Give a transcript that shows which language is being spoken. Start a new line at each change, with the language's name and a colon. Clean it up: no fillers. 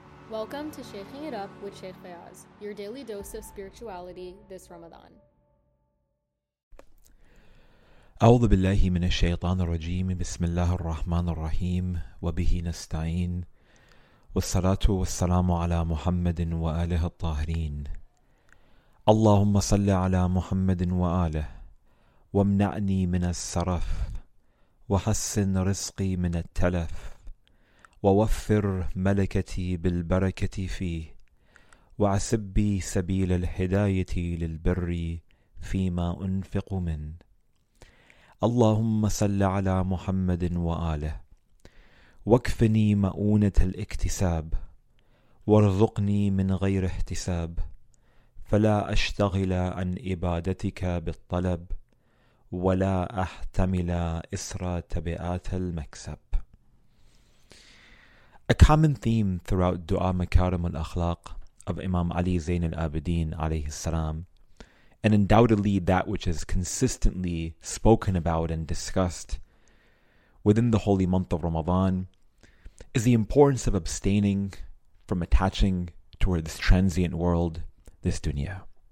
English: Welcome to Shaking It Up with Sheikh Fayaz, your daily dose of spirituality this Ramadan.
Arabic: أعوذ بالله من الشيطان الرجيم بسم الله الرحمن الرحيم وبه نستعين والصلاة والسلام على محمد وآله الطاهرين اللهم صل على محمد وآله وامنعني من السرف وحسن رزقي من التلف ووفر ملكتي بالبركة فيه وعسبي سبيل الهداية للبر فيما أنفق من اللهم صل على محمد وآله واكفني مؤونة الاكتساب وارزقني من غير احتساب فلا أشتغل عن عبادتك بالطلب ولا أحتمل إسر تبعات المكسب.
English: A common theme throughout Dua Makarim al-Akhlaq of Imam Ali Zain al-Abidin alayhi salam, and undoubtedly that which is consistently spoken about and discussed within the holy month of Ramadan, is the importance of abstaining from attaching toward this transient world, this dunya.